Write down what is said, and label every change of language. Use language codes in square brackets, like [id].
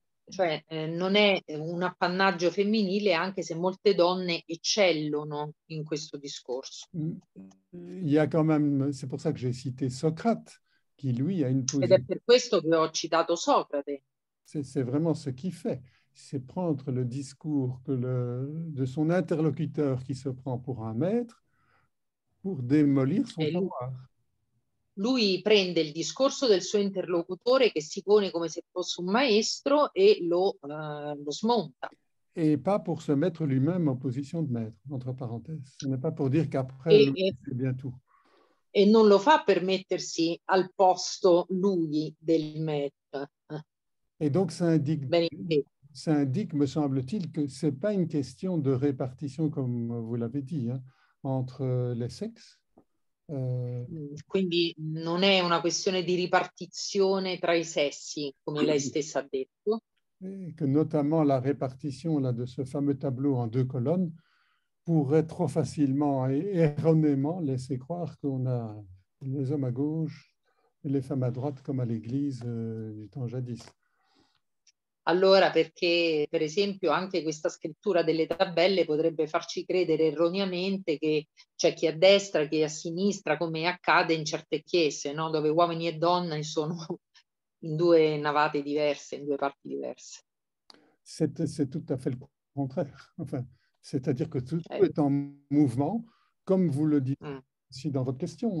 [it] Cioè, non è un appannaggio femminile, anche se molte donne eccellono in questo discorso. [fr] Il y a quand même, c'est pour ça que j'ai cité Socrate. Qui lui a une [it] position. Ed è per questo che ho citato Socrate. [fr] C'est vraiment ce qu'il fait. C'est prendre le discours de son interlocuteur qui se prend pour un maître pour démolir son pouvoir. [it] Lui prende il discorso del suo interlocutore che si pone come se fosse un maestro e lo smonta. [fr] Et pas pour se mettre lui-même en position de maître, entre parenthèses. Ce n'est pas pour dire qu'après, c'est bien tout. [it] E non lo fa per mettersi al posto lui del maître. [fr] E donc ça indique, me semble-t-il, que ce n'est pas une question de répartition, comme vous l'avez dit, hein, entre les sexes. [it] Quindi non è una questione di ripartizione tra i sessi, come lei stessa ha detto. [fr] Et que notamment la répartition là, de ce fameux tableau en deux colonnes pourrait trop facilement et erronément laisser croire qu'on a les hommes à gauche et les femmes à droite comme à l'église du temps jadis. [it] Allora, perché per esempio anche questa scrittura delle tabelle potrebbe farci credere erroneamente che c'è chi è a destra, chi è a sinistra, come accade in certe chiese, no? Dove uomini e donne sono in due navate diverse, in due parti diverse. [fr] C'est tout à fait le contraire. Enfin, c'est-à-dire que tout est en mouvement, comme vous le dites aussi dans votre question.